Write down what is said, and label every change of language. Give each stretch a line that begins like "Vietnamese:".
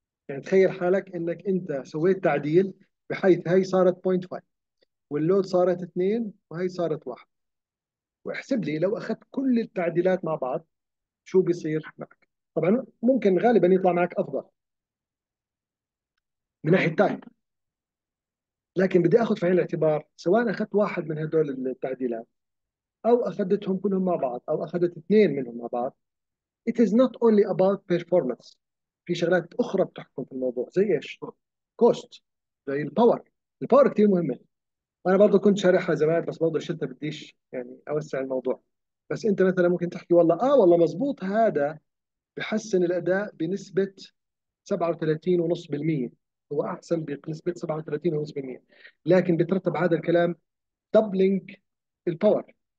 Arabic: يعني تخيل حالك انك انت سويت تعديل بحيث هاي صارت 0.5 واللود صارت 2 وهي صارت 1، واحسب لي لو اخذت كل التعديلات مع بعض شو بيصير معك. طبعا ممكن غالبا يطلع معك افضل من ناحيه تايم، لكن بدي اخذ في عين الاعتبار سواء اخذت واحد من هدول التعديلات او اخذتهم كلهم مع بعض او اخذت اثنين منهم مع بعض.
English: It is not only about performance.
Arabic: في شغلات اخرى بتحكم في الموضوع، زي ايش؟ كوست، زي الباور. الباور كثير مهمه. انا برضه كنت شارحها زمان بس برضه شلتها، بديش يعني اوسع الموضوع. بس انت مثلا ممكن تحكي والله والله مزبوط، هذا بحسن الاداء بنسبه 37.5%، هو احسن بنسبه 37.5%، لكن بترتب هذا الكلام دبلينج الباور.